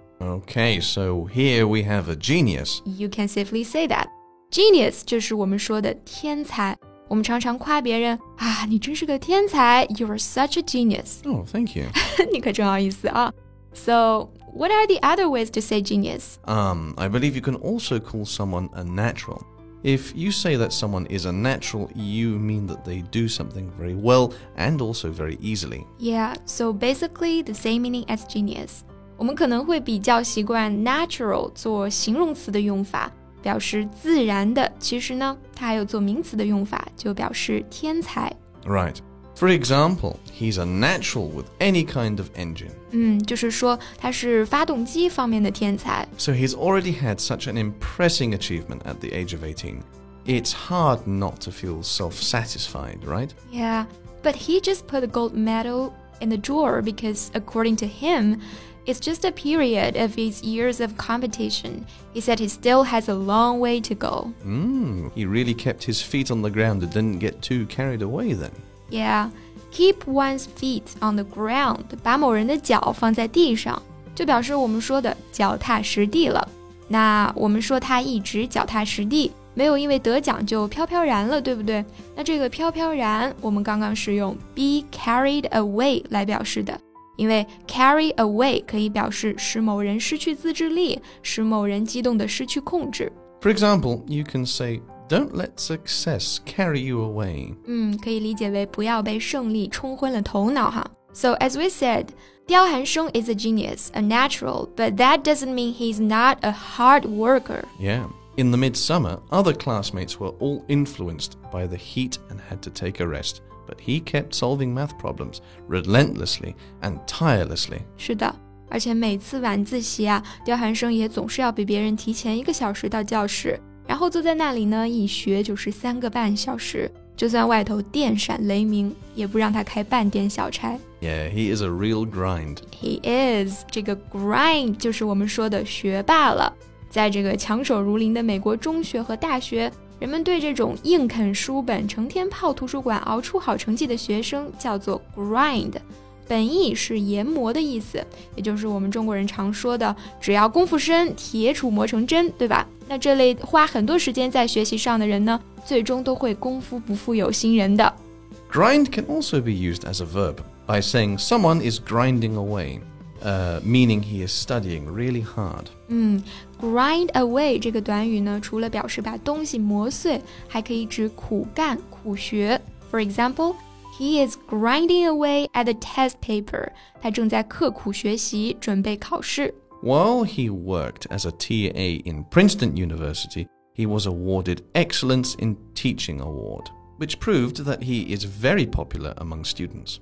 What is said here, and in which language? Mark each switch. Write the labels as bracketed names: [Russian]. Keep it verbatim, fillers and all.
[English] Okay, so here we have a genius. You can safely say that. [Chinese] Genius 就是我们说的天才。我们常常夸别人啊，你真是个天才 [English] You are such a genius. Oh, thank you. [Chinese] 你可真好意思啊。 [English] So, what are the other ways to say genius? Um, I believe you can also call someone a natural. If you say that someone is a natural, you mean that they do something very well and also very easily. Yeah, so basically the same meaning as genius. [Chinese] 我们可能会比较习惯 natural 做形容词的用法，表示自然的，其实呢，它还有做名词的用法，就表示天才。 [English] Right. For example, he's a natural with any kind of engine. [Chinese] 嗯，就是说他是发动机方面的天才。 [English] So he's already had such an impressing achievement at the age of eighteen. It's hard not to feel self-satisfied, right? Yeah, but he just put a gold medal in the drawer because, according to him,It's just a period of his years of competition. He said he still has a long way to go. Mm, he really kept his feet on the ground and didn't get too carried away then. Yeah, keep one's feet on the ground. [Chinese] 把某人的脚放在地上，就表示我们说的脚踏实地了。那我们说他一直脚踏实地，没有因为得奖就飘飘然了，对不对？那这个飘飘然，我们刚刚是用 [English] be carried away [Chinese] 来表示的。因为 carry away 可以表示使某人失去自制力，使某人激动的失去控制。 [English] For example, you can say, don't let success carry you away. [Chinese] 嗯，可以理解为不要被胜利冲昏了头脑哈。 [English] So as we said, 刁寒生 is a genius, a natural, but that doesn't mean he's not a hard worker. Yeah. In the midsummer, other classmates were all influenced by the heat and had to take a rest. But he kept solving math problems relentlessly and tirelessly. [Chinese] 是的，而且每次晚自习啊，刁寒生也总是要比别人提前一个小时到教室，然后坐在那里呢，一学就是三个半小时，就算外头电闪雷鸣，也不让他开半点小差。 [English] Yeah, he is a real grind. He is. [Chinese] 这个 grind 就是我们说的学霸了。在这个强手如林的美国中学和大学。人们对这种硬啃书本成天泡图书馆熬出好成绩的学生叫做 grind， 本意是研磨的意思，也就是我们中国人常说的只要功夫深，铁杵磨成针，对吧？那这类花很多时间在学习上的人呢，最终都会功夫不负有心人的。 [English] Grind can also be used as a verb by saying someone is grinding away、uh, meaning he is studying really hard. [Chinese] 嗯Grind away 这个短语呢，除了表示把东西磨碎，还可以指苦干、苦学。 [English] For example, he is grinding away at the test paper. [Chinese] 他正在刻苦学习，准备考试。 [English] While he worked as a T A in Princeton University, he was awarded Excellence in Teaching Award, which proved that he is very popular among students.